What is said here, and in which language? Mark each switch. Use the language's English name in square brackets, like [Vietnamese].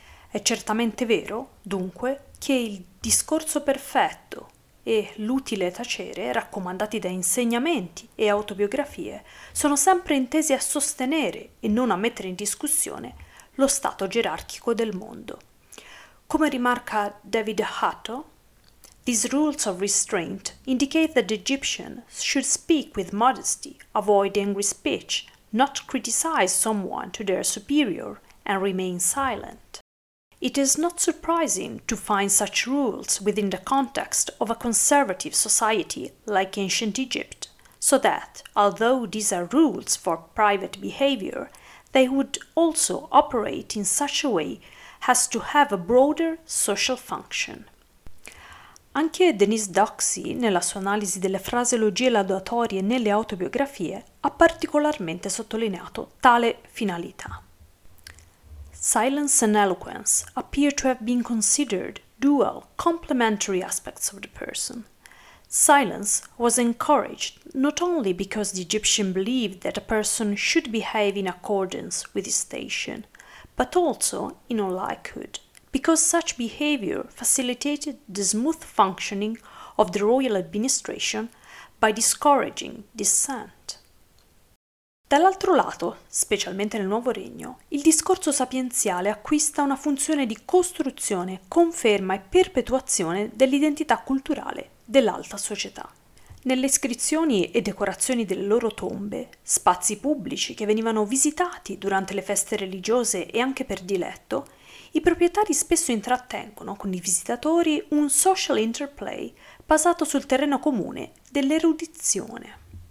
[Italian] È certamente vero, dunque, che il discorso perfetto e l'utile tacere, raccomandati da insegnamenti e autobiografie, sono sempre intesi a sostenere e non a mettere in discussione lo stato gerarchico del mondo. Come rimarca [English] David Hutto, "These rules of restraint indicate that the Egyptian should speak with modesty, avoid angry speech, not criticize someone to their superior, and remain silent. It is not surprising to find such rules within the context of a conservative society like ancient Egypt, so that, although these are rules for private behavior, they would also operate in such a way as to have a broader social function." [Italian] Anche Denise Doxey, nella sua analisi delle fraseologie laudatorie nelle autobiografie, ha particolarmente sottolineato tale finalità. [English] "Silence and eloquence appear to have been considered dual, complementary aspects of the person. Silence was encouraged not only because the Egyptian believed that a person should behave in accordance with his station, but also, in all likelihood, because such behavior facilitated the smooth functioning of the royal administration by discouraging dissent." [Italian] Dall'altro lato, specialmente nel Nuovo Regno, il discorso sapienziale acquista una funzione di costruzione, conferma e perpetuazione dell'identità culturale dell'alta società. Nelle iscrizioni e decorazioni delle loro tombe, spazi pubblici che venivano visitati durante le feste religiose e anche per diletto, i proprietari spesso intrattengono con i visitatori un [English] social interplay [Italian] basato sul terreno comune dell'erudizione.